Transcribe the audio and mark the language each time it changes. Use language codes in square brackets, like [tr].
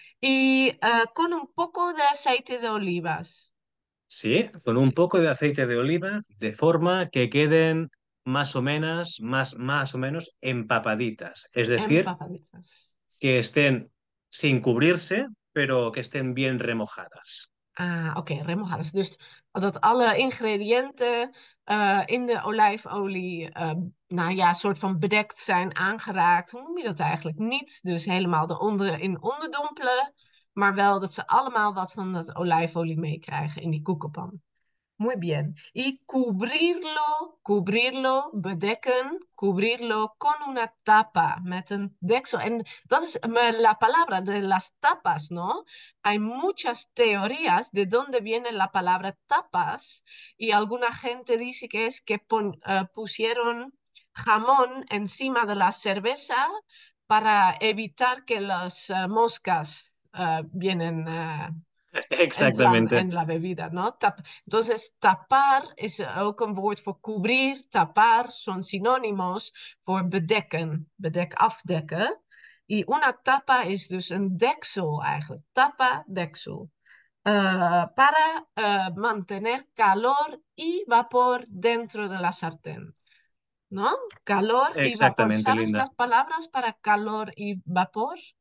[es] Y con un poco de aceite de olivas. Sí, con un poco de aceite de oliva, de forma que queden más o menos empapaditas. Es decir, Empapaditas. que estén sin cubrirse, pero que estén bien remojadas. Ah, ok, remojadas. [nl] Dus dat alle ingrediënten in de olijfolie, nou ja, soort van bedekt zijn, aangeraakt. Hoe noem je dat eigenlijk? Niet dus helemaal in onderdompelen, maar wel dat ze allemaal wat van dat olijfolie meekrijgen in die koekenpan. [es] Muy bien. Y cubrirlo, bedekken, cubrirlo con una tapa, [nl] met een deksel. En dat is [es] la palabra de las tapas, ¿no? Hay muchas teorías de dónde viene la palabra tapas y alguna gente dice que es que pusieron jamón encima de la cerveza para evitar que las moscas vienen. Entran Exactamente. en la bebida, ¿no? [nl] Entonces, tapar es ook een woord voor cubrir, tapar [es] son sinónimos [nl] voor bedekken, afdekken. [es] Y una tapa es [nl] dus un deksel eigenlijk, [es] tapa, deksel, para mantener calor y vapor dentro de la sartén, ¿no? Calor y vapor, Exactamente, ¿sabes Linda. las palabras para calor y vapor?